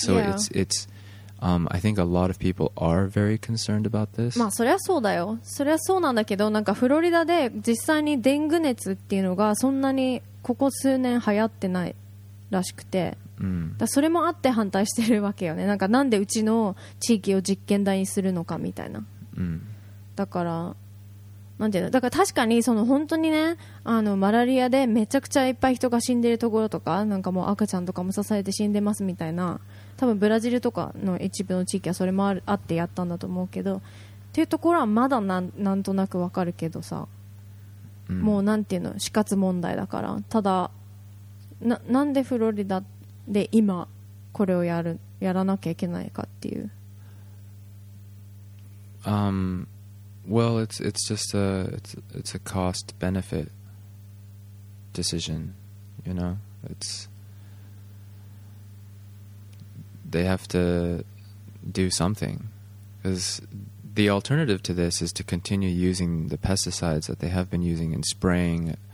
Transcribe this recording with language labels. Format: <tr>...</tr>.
<en>So it's I think a lot of people are very concerned about this.</en> <ja>まあそれはそうだよ。それはそうなんだけど、なんかフロリダで実際にデング熱っていうのがそんなにここ数年流行ってないらしくて、だそれもあって反対してるわけよね。なんかなんでうちの地域を実験台にするのかみたいな。だからなんていうの、だから確かにその本当にね、あのマラリアでめちゃくちゃいっぱい人が死んでるところとか、なんかもう赤ちゃんとかも刺されて死んでますみたいな。多分ブラジルとかの一部の地域はそれもあってやったんだと思うけど、っていうところはまだなんとなくわかるけどさ、うん、もうなんていうの、死活問題だから。ただ なんでフロリダで今これをやらなきゃいけないかっていう、</ja> <en>Well, it's just a it's a cost benefit decision, you know. It'sThey have to do something, because the alternative to this is to continue using the pesticides that they have been using and spraying</en>